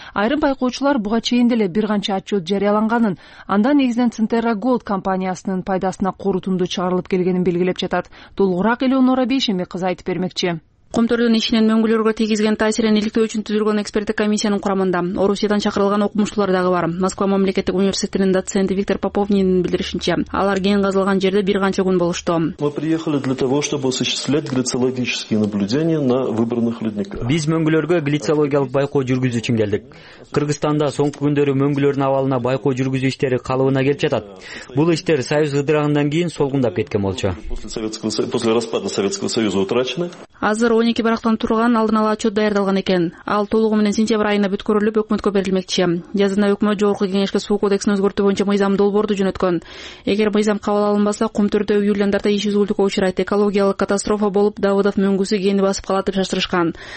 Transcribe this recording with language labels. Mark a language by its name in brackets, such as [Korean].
[Kyrgyz] Айрым байкоочулар буга чейин деле бир канча отчет жарыяланганын, анда негизинен Центерра Голд компаниясынын пайдасына корутунду чыгарылып келгенин белгилеп жатат. Толугураак Элеонора Бейшенбек кызы айтып бермекчи. Кумтөрдүн ишинен мөңгүлөргө тийгизген таасирин иликтөө үчүн түзүлгөн эксперттик комиссиянын курамында Орусиядан чакырылган окумуштуулар дагы бар. Москва мамлекеттик университетинин доценти Виктор Поповнин билдиришинче, алар кең казылган жерде бир канча күн болушту. [Russian] Мы приехали для того, чтобы осуществлять глициологические наблюдения на выбранных ледниках. [Kyrgyz] Биз мөңгүлөргө глициологиялык байкоо жүргүзүү үчүн келдик. Кыргызстанда соңку күндөрү мөңгүлөрдүн абалына байкоо жүргүзүү иштери калыбына келип жатат. Бул иштер союз ыдырагандан кийин солгундап кеткен болчу. [Russian] После распада Советского Союза утрачены. [Kyrgyz] Азыр 12 барактан турган алдын ала отчет даярдалган экен. Ал толугу менен сентябрь айына бүткөрүлүп өкмөткө берилмекчи. Жазында өкмөт жогорку кеңешке суу кодексин өзгөртүү боюнча мыйзам долбоорду жөнөткөн. Эгер мыйзам кабыл алынбаса, Кумтөрдө үйлөндөрдө иш үзгүлтүккө учурайт. Экологиялык катастрофа болуп, Давыдов мөңгүсү кени басып калат деп шаштырышкан.